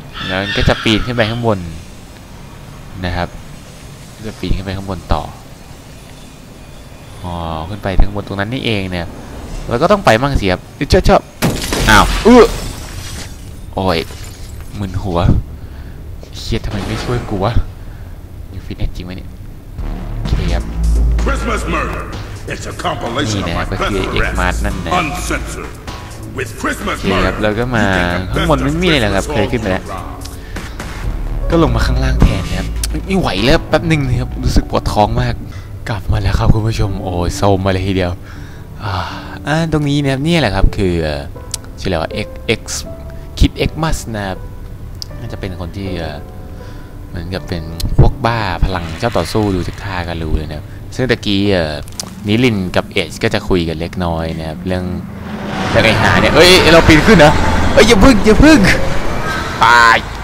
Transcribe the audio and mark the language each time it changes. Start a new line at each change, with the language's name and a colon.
Thai: งั้นก็จะปีนขึ้นไปข้างบนนะครับจะปีนขึ้นไปข้างบนต่ออ๋อขึ้นไปข้างบนตรงนั้นนี่เองเนี่ยแล้วก็ต้องไปมั่งสิครับเจ้าเจ้าอ้าวอื้อโอ้ยมึนหัวเครียดทำไมไม่ช่วยกูวะอยู่ฟิตเนสจริงไหมเนี่ยเครียดChristmas Murder.
English: It's a compilation of my favorite records. Uncensored. With Christmas Murder.
Thai: ครับแล้วก็มาข้างบนไม่มีอะไรแล้วครับเคยขึ้นไปแล้วก็ลงมาข้างล่างแทนนะครับไม่ไหวแล้วแป๊บนึงนะครับรู้สึกปวดท้องมากกลับมาแล้วครับคุณผู้ชมโอ้ยโซมมาเลยทีเดียว ตรงนี้นะครับนี่แหละครับคือชื่อเรียกว่า X คิด Xmas นะครับน่าจะเป็นคนที่เหมือนกับเป็นพวกบ้าพลังเจ้าต่อสู้ดูจากท่ากันรู้เลยนะครับซึ่งตะกี้นิลินกับเอชก็จะคุยกันเล็กน้อยนะครับเรื่องไอ้หาเนี่ยเอ้ยเราปีนขึ้นนะเอ้ยอย่าพึ่งตาย